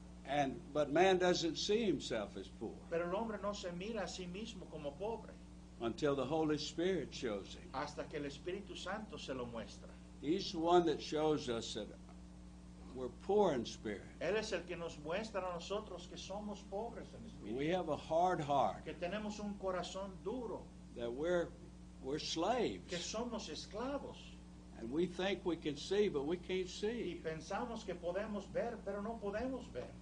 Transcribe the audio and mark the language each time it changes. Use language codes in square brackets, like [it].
[en] And but man doesn't see himself as poor. [es] Pero el hombre no se mira a sí mismo como pobre. [en] Until the Holy Spirit shows him. [es] Hasta que el Espíritu Santo se lo muestra. [en] He's the one that shows us that we're poor in spirit. [es] Él es el que nos muestra a nosotros que somos pobres en espíritu. [en] We have a hard heart. [es] Que tenemos un corazón duro. [en] That we're slaves. [es] Que somos esclavos. [en] And we think we can see, but we can't see. [es] Y pensamos que podemos ver, pero no podemos ver.